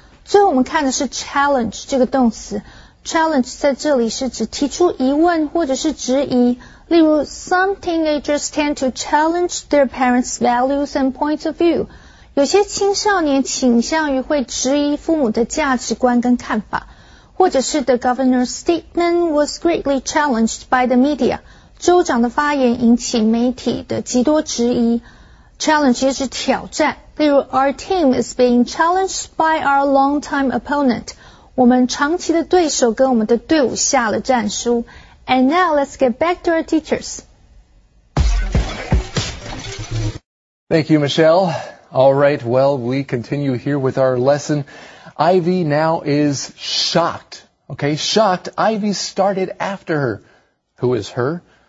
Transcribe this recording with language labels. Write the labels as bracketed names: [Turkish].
[Chinese] 最后我们看的是 challenge 这个动词， challenge 在这里是指提出疑问或者是质疑， 例如 [English] some teenagers tend to challenge their parents' values and points of view， [Chinese] 有些青少年倾向于会质疑父母的价值观跟看法， 或者是 [English] the governor's statement was greatly challenged by the media， [Chinese] 州长的发言引起媒体的极多质疑 ，challenge 也是挑战。例如 [English] ，Our team is being challenged by our long-time opponent. [Chinese] 我们长期的对手跟我们的队伍下了战书。 [English] And now let's get back to our teachers. Thank you, Michelle. All right, well, we continue here with our lesson. Ivy now is shocked. Okay, shocked. Ivy started after her. Who is her?